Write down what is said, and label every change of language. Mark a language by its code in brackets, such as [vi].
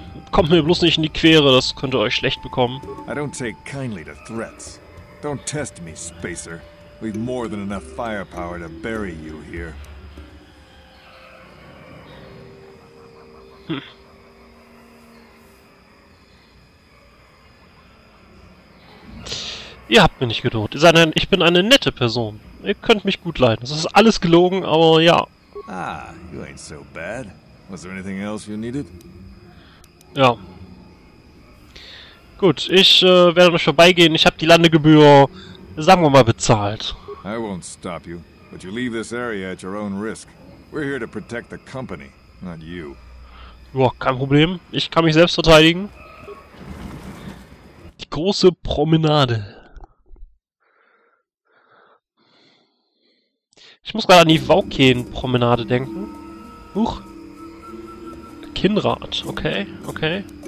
[de] Kommt mir bloß nicht in die Quere, das könnte euch schlecht bekommen. [en] I don't take kindly to threats. Don't test me, Spacer. We've more than enough firepower to bury you here. [de] Ihr habt mich nicht gedroht. Sondern ich bin eine nette Person. Ihr könnt mich gut leiden. Das ist alles gelogen, aber ja. [en] Ah, you ain't so bad. Was there anything else you needed? [de] Ja. Gut, ich werde euch vorbeigehen. Ich habe die Landegebühr, sagen wir mal, bezahlt. [en] I won't stop you, but you leave this area at your own risk. We're here to protect the company, not you. [de] Ja, kein Problem. Ich kann mich selbst verteidigen. Die große Promenade. Ich muss gerade an die Vaukeen-Promenade denken. Huch. Kinnrad. Okay, okay.